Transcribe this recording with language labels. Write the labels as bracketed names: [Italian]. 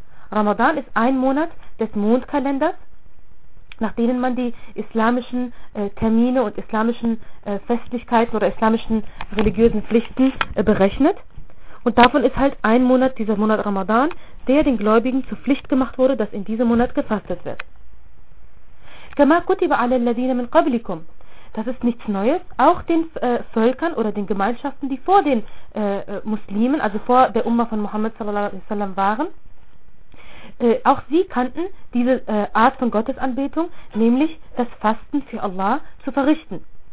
[German] Ramadan ist ein Monat des Mondkalenders, nach denen man die islamischen Termine und islamischen Festlichkeiten oder islamischen religiösen Pflichten berechnet. Und davon ist halt ein Monat, dieser Monat Ramadan, der den Gläubigen zur Pflicht gemacht wurde, dass in diesem Monat gefastet wird. [Arabic] كما كتب على الذين من قبلكم. [German] Das ist nichts Neues, auch den Völkern oder den Gemeinschaften, die vor den Muslimen, also vor der Umma von Muhammad sallallahu alaihi wasallam waren, auch sie kannten diese Art von Gottesanbetung, nämlich das Fasten für Allah zu verrichten.